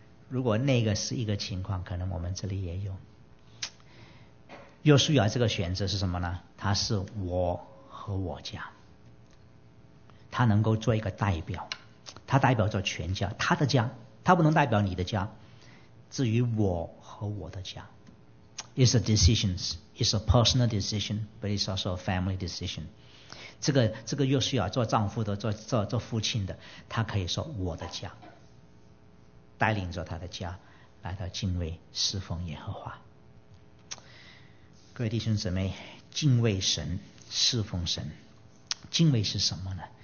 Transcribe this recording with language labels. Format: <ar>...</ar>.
<zh>如果那个是一个情况，可能我们这里也有。约书亚这个选择是什么呢？他是我和我家，他能够做一个代表，它代表着全家，他的家，他不能代表你的家。至于我和我的家，</zh> <en>It's a decision. It's a personal decision, but it's also a family decision.</en> <zh>这个又需要做丈夫的，做父亲的，他可以说我的家，带领着他的家来到敬畏侍奉耶和华。各位弟兄姊妹，敬畏神，侍奉神，敬畏是什么呢？</zh>